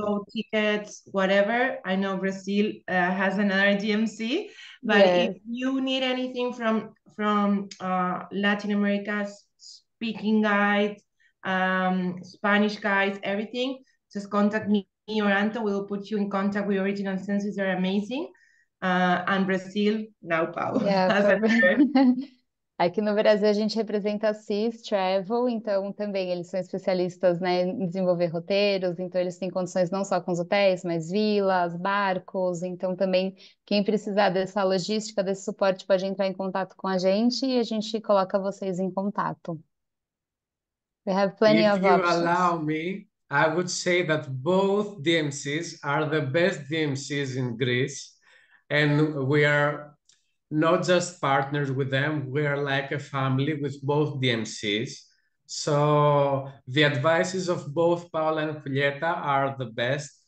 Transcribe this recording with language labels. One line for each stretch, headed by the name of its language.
English: Boat tickets, whatever. I know Brazil has another DMC. But yes. If you need anything from Latin America's speaking guides, Spanish guys, everything, just contact me or Anto. We'll put you in contact with Original Senses. They're amazing. And Brazil, now Paulo.
Portuguese: Yeah, aqui no Brasil a gente representa a CIS Travel, então também eles são especialistas, né, em desenvolver roteiros, então eles têm condições não só com os hotéis, mas vilas, barcos, então também quem precisar dessa logística, desse suporte, pode entrar em contato com a gente e a gente coloca vocês em contato.
English: We have plenty If of you options. Allow me, I would say that both DMCs are the best DMCs in Greece, and we are not just partners with them, we are like a family with both DMCs. So the advices of both Paola and Julieta are the best.